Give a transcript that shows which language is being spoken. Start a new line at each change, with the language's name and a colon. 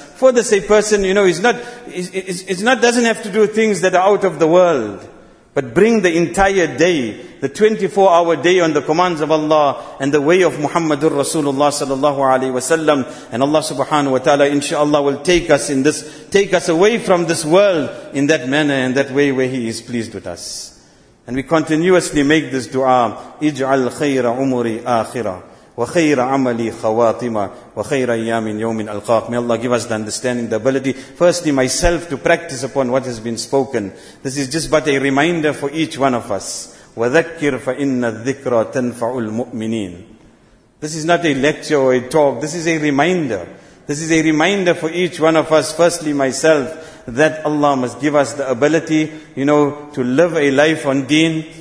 English: For this, a person, you know, doesn't have to do things that are out of the world, but bring the entire day, the 24-hour day, on the commands of Allah and the way of Muhammadur Rasulullah sallallahu alaihi wasallam, and Allah subhanahu wa ta'ala inshaAllah will take us away from this world in that manner and that way where He is pleased with us. And we continuously make this dua,
Arabic: اجعل خير عمري آخرة وخير عملي خواتمة وخير أيام يوم ألقاك.
English: May Allah give us the understanding, the ability, firstly myself to practice upon what has been spoken. This is just but a reminder for each one of us.
Arabic: وَذَكِّرْ فَإِنَّ الذِّكْرَ تَنْفَعُ الْمُؤْمِنِينَ.
English: This is not a lecture or a talk. This is a reminder. This is a reminder for each one of us, firstly myself, that Allah must give us the ability, you know, to live a life on deen.